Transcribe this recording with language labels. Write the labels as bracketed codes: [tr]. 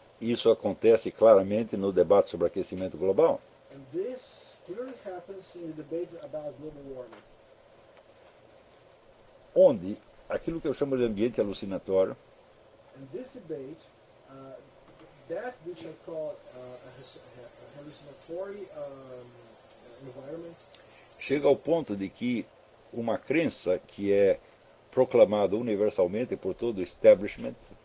[pt] Isso acontece claramente no debate sobre aquecimento global. [en] And this clearly happens in the debate about global warming. [pt] Onde aquilo que eu chamo de ambiente alucinatório. [en] In this debate, that which I call a hallucinatory environment. [pt] Chega ao ponto de que uma crença que é proclamada universalmente por todo o establishment.